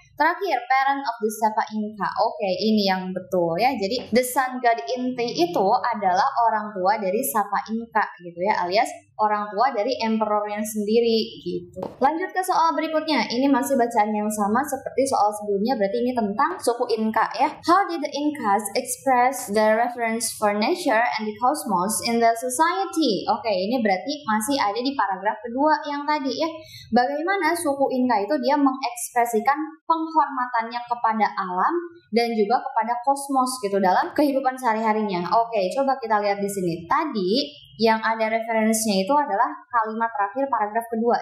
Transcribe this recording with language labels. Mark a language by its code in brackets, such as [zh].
[id] Terakhir, [en] parent of the Sapa Inca. [id] Oke, okay, ini yang betul ya. Jadi, [en] the sun god Inti [id] itu adalah orang tua dari Sapa Inca gitu ya, alias orang tua dari emperornya sendiri gitu. Lanjut ke soal berikutnya. Ini masih bacaan yang sama seperti soal sebelumnya, berarti ini tentang suku Inca ya. [en] How did the Incas express their reverence for nature and the cosmos in their society? [id] Oke, okay, ini berarti masih ada di paragraf kedua yang tadi ya. Bagaimana suku Inca itu dia mengekspresikan penghormatannya kepada alam dan juga kepada kosmos gitu dalam kehidupan sehari-harinya. Oke, coba kita lihat di sini. Tadi yang ada referensinya itu adalah kalimat terakhir paragraf kedua.